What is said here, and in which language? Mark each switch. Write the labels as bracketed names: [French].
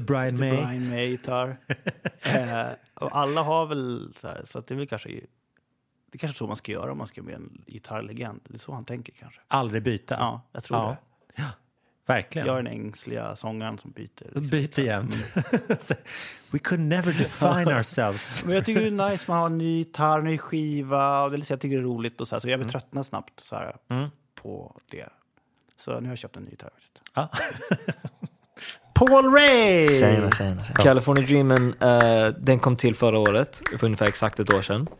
[Swedish] Brian May-gitarr. och alla har väl så här, så att det är väl kanske... Det är kanske så man ska göra om man ska bli en gitarrlegend. Det är så han tänker kanske. Aldrig byta. Ja, jag tror det. Ja. Verkligen. Jag är den ängsliga sångaren som byter. Liksom. Byter igen. [English] We could never define ourselves. [Swedish] Men jag tycker det är nice att ha en ny gitarr, en ny skiva. Och det är, jag tycker det är roligt. Och så, här, så jag blir tröttna snabbt så här, på det. Så nu har jag köpt en ny gitarr. Ah. Paul Ray! Tjena. California Dreamen, den kom till förra året. För ungefär exakt ett år sedan.